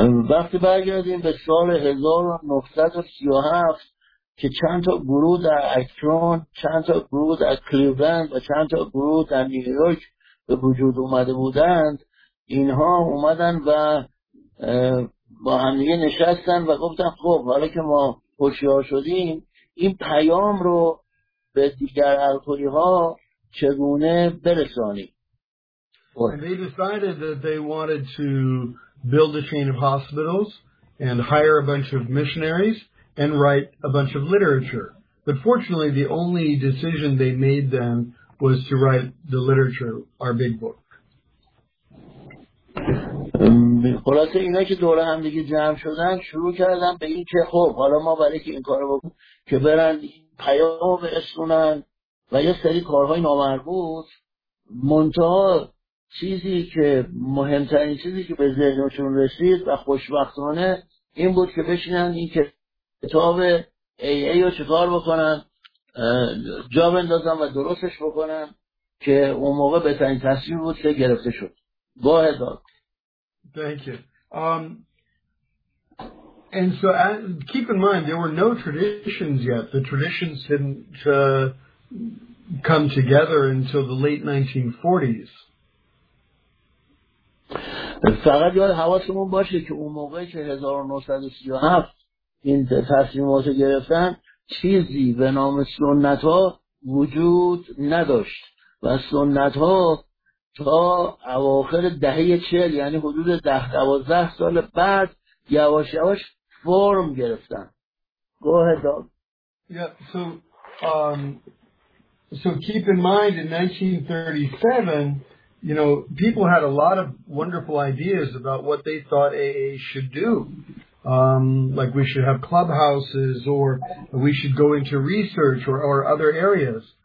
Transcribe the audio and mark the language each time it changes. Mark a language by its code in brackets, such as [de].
[fa] وقتی برگردیم به سال 1937 که چند تا گروه در اکرون، چند تا گروه در کلیولند و چند تا گروه در نیویورک به وجود اومده بودند، اینها اومدن و با هم دیگه نشستن و گفتن خب حالا که ما هوشیار شدیم این پیام رو به دیگر الکلی ها چگونه برسانیم. [en] They decided that they wanted to build a chain of hospitals and hire a bunch of missionaries and write a bunch of literature. But fortunately, the only decision they made then was to write the literature, our big book. [fa] خلاصه اینا که دور هم دیگه جمع شدن شروع کردن به این که خب حالا ما برای که این کارو بکنیم که برن پیامو برسونن و یه سری کارهای نامربوط منتهی چیزی که مهمترین چیزی که به ذهنشون رسید و خوشبختانه این بود که بشینن این کتاب ای ای رو چکار بکنن جا بندازن و درستش بکنن که اون موقع بهترین تصمیم بود که گرفته شد. [en] با هدار Thank you. And so keep in mind there were no traditions yet. The traditions didn't come together until the late 1940s. [fa] فقط یاد حواسمون باشه که اون موقعی که 1937 این تصمیمات رو گرفتن چیزی به نام سنت ها وجود نداشت و سنت ها تا اواخر دهه 40 یعنی حدود 10-12 سال بعد یواش یواش فرم گرفتن. [en] Go ahead. Yeah, so keep in mind in 1937 you know, people had a lot of wonderful ideas about what they thought AA should do. Like we should have clubhouses or we should go into research or other areas.